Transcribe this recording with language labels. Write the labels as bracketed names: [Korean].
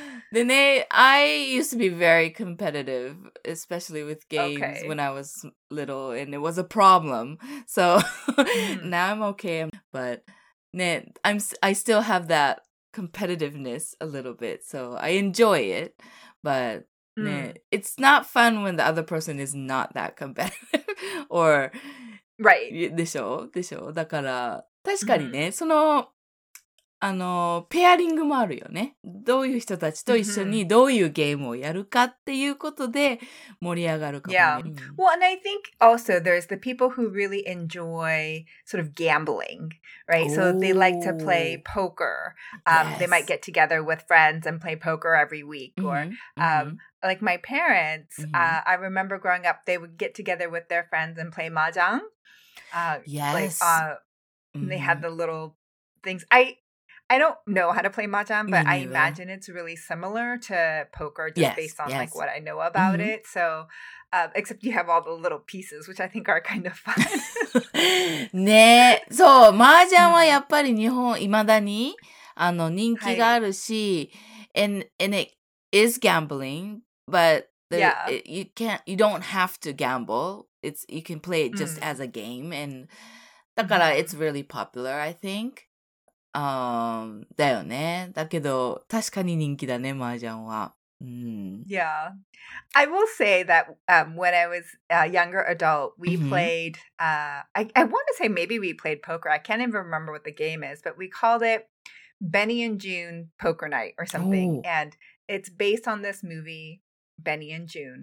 [English] でね、I used to be very competitive, especially with games when I was little, and it was a problem. So now I'm okay, but ね、I still have that competitiveness a little bit, so I enjoy it. But、ね、it's not fun when the other person is not that competitive. Or, right. [Japanese] でしょ?でしょ? だから、確かにね、そのあのペアリングもあるよね。どういう人たちと一緒にどういうゲームをやるかっていうことで盛り上がるかも、ね。 [English] Yeah. Well, and I think also there's the people who really enjoy sort of gambling, right? So they like to play poker. They might get together with friends and play poker every week. Or like my parents, I remember growing up, they would get together with their friends and play mahjong. They had the little things. I don't know how to play mahjong, but I imagine it's really similar to poker just based on like what I know about it. So, except you have all the little pieces, which I think are kind of fun. [Japanese] ね、そう、麻雀はやっぱり日本未だにあの人気があるし、 [English] and it is gambling, but you don't have to gamble. You can play it just as a game, and だから it's really popular, I think. [Japanese] だよね。だけど確かに人気だね、麻雀は。 [English] Yeah. I will say that when I was a younger adult, we played, I want to say maybe we played poker. I can't even remember what the game is, but we called it Benny and June Poker Night or something. Ooh. And it's based on this movie, Benny and June.